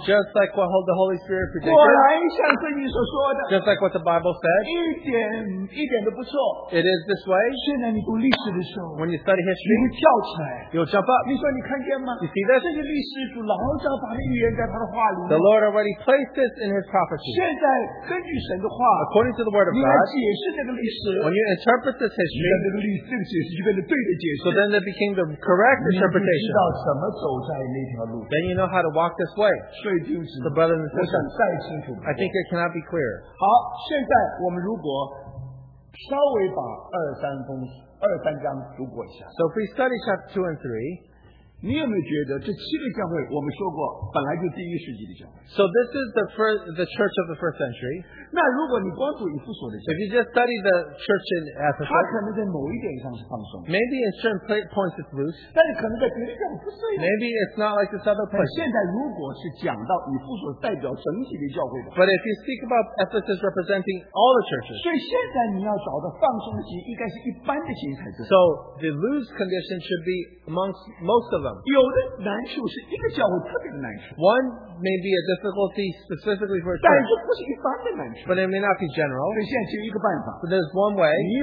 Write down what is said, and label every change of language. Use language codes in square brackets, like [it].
[en] just like what the Holy Spirit predicted. [zh] 果然像圣灵所说的, [en] just like what the Bible said. [zh] 一点都不错, [en] it is this way. [zh] 现在你读历史的时候, [en] when you study history, [zh] 你会跳起来, [en] you'll jump up. [zh] 你说你看见吗? [en] You see this? [zh] 这些历史主老早把预言在他的话里, [en] the Lord already placed this in his prophecy. [zh] 现在根据神的话, [en] according to the word of God, [zh] 你来解释这个历史, [en] when you interpret this history, [zh] 你来这个历史,这个解释, [en] so then that became the correct interpretation. [zh] 你知道怎么走在那条路, [en] then you know how to walk this way. [zh] 所以就是, [en] the brother and the sister, [zh] 我想再清楚, [en] I think it cannot be clearer. [zh] 好,现在我们如果 稍微把二三章读过一下, [en] so if we study chapter 2 and 3, [zh] 你有没有觉得这七个教会我们说过本来就第一世纪的教会? [en] So this is the church of the first century. [zh] 那如果你光读以弗所的教会, [en] if you just study the church in Ephesus, [zh] 它可能在某一点上是放松, [en] maybe in certain points it's loose, [zh] 但是可能在别的教会不是, [en] maybe it's not like this other place. [zh] 现在如果是讲到以弗所代表整体的教会的, [en] but if you speak about Ephesus representing all the churches, [zh] 所以现在你要找的放松期应该是一般的形态之上, [en] so the loose condition should be amongst most of them. [zh] 有的难处是一个教会特别的难处, [en] one may be a difficulty specifically for a church, but it may not be general. But there's one way.